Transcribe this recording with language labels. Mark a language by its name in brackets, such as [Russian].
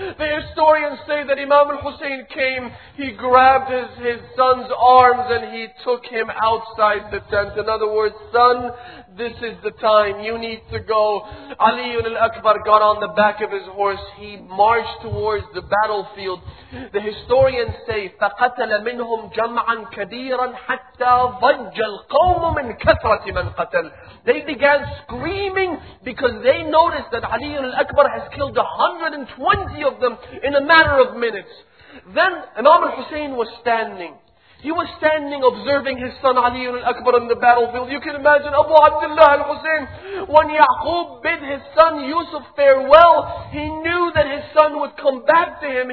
[English] The historians say that Imam al-Hussein came, he grabbed his son's arms and he took him outside the tent. In other words, son, this is the time. You need to go. Ali ibn al-Akbar got on the back of his horse. He marched towards the battlefield. The historians say, [Arabic] فَقَتَلَ مِنْهُمْ جَمْعًا كَبِيرًا حَتَّى ضَجَّ الْقَوْمُ مِنْ كَثْرَةِ مَنْ قَتَلَ. [English] They began screaming because they noticed that Ali ibn al-Akbar has killed 120 of them in a matter of minutes. Then Imam al-Hussein was standing. He was standing observing his son Ali ibn al-Akbar in the battlefield. You can imagine Abu Abdullah al-Hussein, when Yaqub bid his son Yusuf farewell, he knew that his son would come back to him.